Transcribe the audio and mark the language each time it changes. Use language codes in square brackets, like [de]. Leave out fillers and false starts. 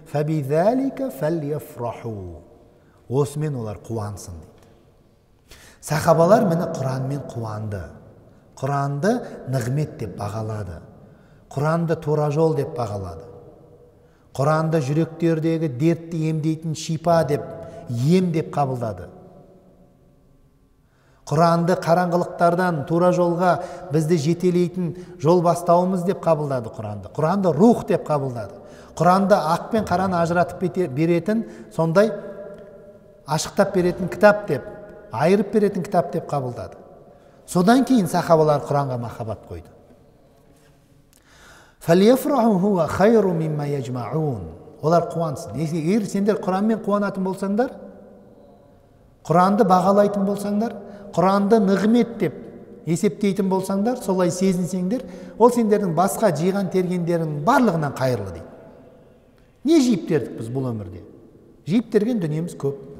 [ar] Фабидзалика фалиафраху. [kk] Осымен олар қуансын дейді. Сахабалар міне Құранмен қуанды. Құранды нығмет деп бағалады. Құранды тура жол деп бағалады. Құранды жүректердегі дертті емдейтін шипа деп, ем деп қабылдады. Құранды қараңғылықтардан тура жолға бізді жетелейтін жол бастауымыз деп қабылдады Құранды. Құранды рух деп қабылдады. Құранды ақ пен қараны ажыратып беретін, сондай ашықтап беретін кітап деп, айырып беретін кітап деп қабылдады. Содан кейін сахабалар Құранға махаббат қойды. [ar] فَلْيَفْرَحُوا هُوَ خَيْرٌ مِمَّا يَجْمَعُونَ [kk] Олар қуансын. Егер сендер Құранмен қуанатын болсаңдар, Құранды бағалайтын болсаңдар, Құранды нығмет деп есептейтін болсаңдар, солай сезінсеңдер, ол сендердің басқа жиған тергендерің барлығынан қайырлы дейді. Не жиіп тердік біз бұл өмірде? Жиіп терген дүниеміз көп.